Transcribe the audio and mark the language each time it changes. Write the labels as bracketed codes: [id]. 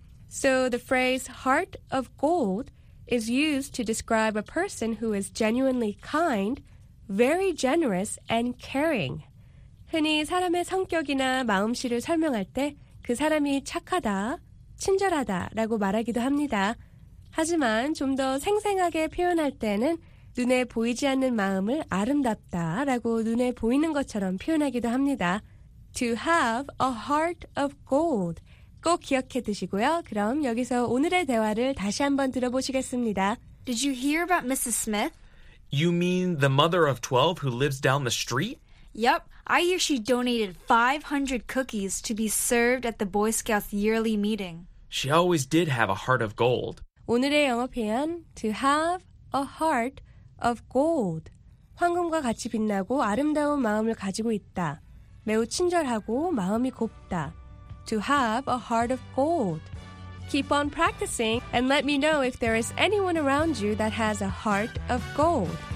[en] So the phrase heart of gold is used to describe a person who is genuinely kind, very generous, and caring. [ko] 흔히 사람의 성격이나 마음씨를 설명할 때 그 사람이 착하다, 친절하다라고 말하기도 합니다. 하지만 좀 더 생생하게 표현할 때는 눈에 보이지 않는 마음을 아름답다라고 눈에 보이는 것처럼 표현하기도 합니다. [en] To have a heart of gold. [ko] 꼭 기억해 두시고요. 그럼 여기서 오늘의 대화를 다시 한번 들어보시겠습니다. [en] Did you hear about Mrs. Smith? You mean the mother of 12 who lives down the street? Yep, I hear she donated 500 cookies to be served at the Boy Scouts yearly meeting. She always did have a heart of gold. [ko] 오늘의 영어 표현, [en] to have a heart of gold. [ko] 황금과 같이 빛나고 아름다운 마음을 가지고 있다. 매우 친절하고 마음이 곱다. [en] To have a heart of gold. Keep on practicing and let me know if there is anyone around you that has a heart of gold.